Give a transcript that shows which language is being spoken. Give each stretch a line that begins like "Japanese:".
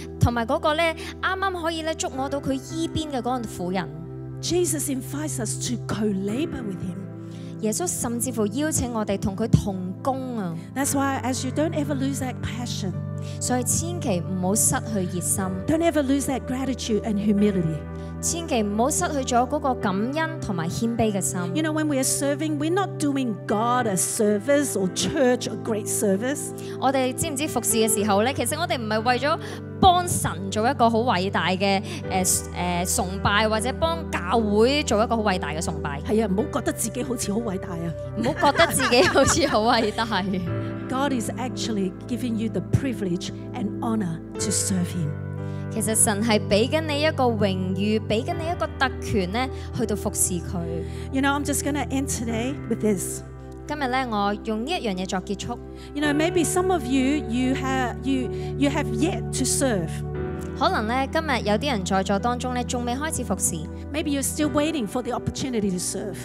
Cantonese: 同埋嗰個咧，啱啱可以咧觸摸到佢衣邊嘅嗰個婦人。
English: Jesus invites us to co-labor with Him.
Cantonese: 耶穌甚至乎邀請我哋同佢同工啊。
English: That's why, as you don't ever lose that passion,
Cantonese: 所以千祈唔好失去熱心。
English: Don't ever lose that gratitude and humility.
Cantonese: 千祈唔好失去咗嗰個感恩同埋謙卑嘅心。
English: You know, when we are serving, we're not doing God a service or church a great service.
Cantonese: 我哋知唔知服侍嘅時候咧，其實我哋唔係為咗幫神做一個好偉大嘅崇拜，或者幫教會做一個好偉大嘅崇拜。係啊，唔好覺得自己好似好偉大啊！唔好覺得自己好似好偉大。
English: God is actually giving you the privilege and honor to serve Him.
Cantonese: 其實神係俾緊你一個榮譽，俾緊你一個特權咧，去到服侍佢。
English: You know, I'm just gonna end today with this.
Cantonese: 今日咧，我用呢一樣嘢作結束。
English: You know, maybe some of you have yet to serve.
Cantonese: 可能咧，今日有啲人在座當中咧，仲未開始服侍。
English: Maybe you're still waiting for the opportunity to serve.